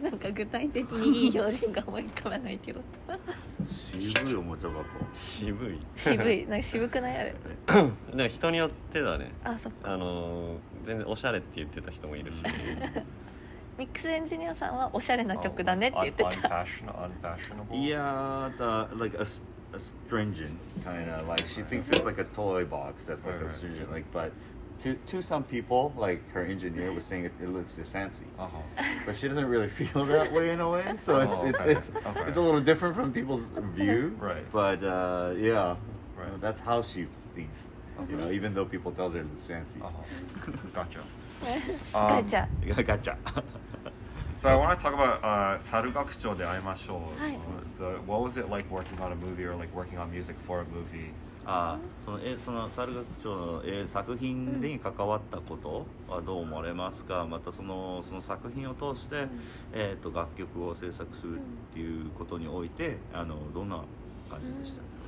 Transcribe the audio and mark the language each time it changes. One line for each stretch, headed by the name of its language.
Japanese: なんか具体的にいい表現が思い浮かばないけど渋いおもちゃ箱、渋いなんか渋くないあれでも人によってだね。あ、そっか、全然おしゃれって言ってた人もいるしミックスエンジニアさんはおしゃれな曲だねって言ってた。
English: いやー、astringent kind of like she thinks it's like a toy box that's like astringent like but to some people, like her engineer was saying, it looks just fancy. Uh-huh. But she doesn't really feel that way in a way. So it's a little different from people's view. Right. But yeah, right. Well, that's how she thinks. Okay. You know, even though people tell her it looks fancy. Uh-huh. Gotcha. Gotcha. Gotcha. So I want to talk about Sarugakucho de Aimashou. What was it like working on a movie or like working on music for a movie?
Japanese: その猿楽町の作品に関わったことはどう思われますか、うん、またその作品を通して、うん楽曲を制作するっていうことにおいて、うん、どんな感じでしたか、